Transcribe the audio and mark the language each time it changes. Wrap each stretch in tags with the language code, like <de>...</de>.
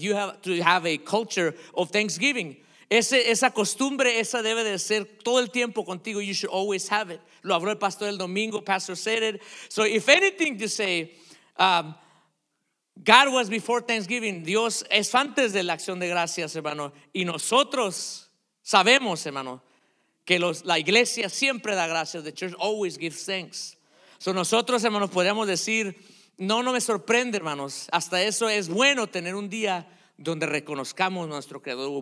<en>You have to have a culture of thanksgiving.</en> <es>Esa costumbre, esa debe de ser todo el tiempo contigo.</es> <en>You should always have it.</en> <es>Lo habló el pastor el domingo.</es> <en>Pastor said it. So if anything you say, God was before Thanksgiving.</en> <es>Dios es antes de la acción de gracias, hermano. Y nosotros sabemos, hermano, que la iglesia siempre da gracias.</es> <en>The church always gives thanks. So</en> <es>nosotros, hermanos, podríamos decir, no me sorprende, hermanos. Hasta eso es bueno tener un día donde reconozcamos nuestro creador.</es>